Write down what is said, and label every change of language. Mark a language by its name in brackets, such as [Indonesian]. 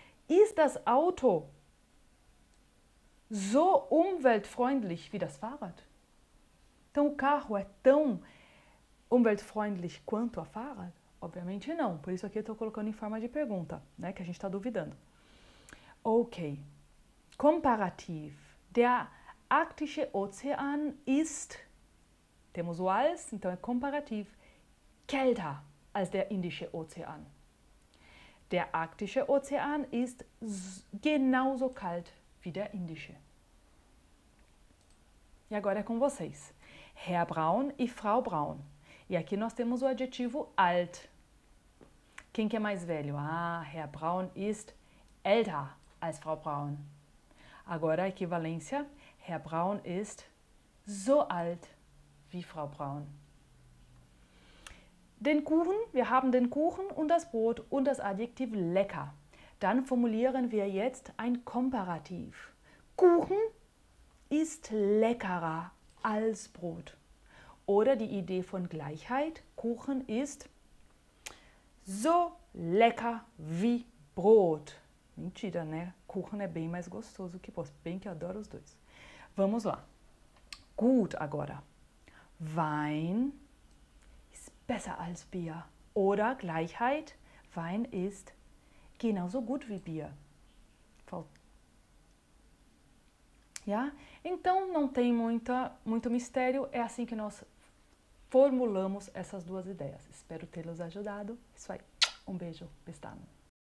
[German] Ist das Auto so umweltfreundlich wie das Fahrrad? [Portuguese] Então, o carro é tão umweltfreundlich quanto a Fahrrad? Obviamente não, por isso aqui eu estou colocando em forma de pergunta, né? Que a gente está duvidando. Ok. Comparativ. [German] Der arktische Ozean ist. [Portuguese] Temos o als, então é comparativ. [German] Kälter als der indische Ozean. Der arktische Ozean ist genauso kalt wie der indische. [Portuguese] E agora é com vocês. Herr Braun e Frau Braun. E aqui nós temos o adjetivo alt. Quem que é mais velho? [German] Ah, Herr Braun ist älter als Frau Braun. [Portuguese] Agora a equivalência. [German] Herr Braun ist so alt wie Frau Braun. Den Kuchen, wir haben den Kuchen und das Brot und das Adjektiv lecker. Dann formulieren wir jetzt ein Komparativ. Kuchen ist leckerer als Brot. Oder die Idee von Gleichheit. Kuchen ist so lecker wie Brot. [Portuguese] Mentira, né? Kuchen é bem mais gostoso que posso. Bem que eu adoro os dois. Vamos lá. Gut, agora. [German] Wein ist besser als Bier. Oder Gleichheit. Wein ist genauso gut wie Bier. [Portuguese] Já? Então, não tem muito mistério. É assim que nós formulamos essas duas ideias. Espero tê-los ajudado. Isso aí. Um beijo, pestano.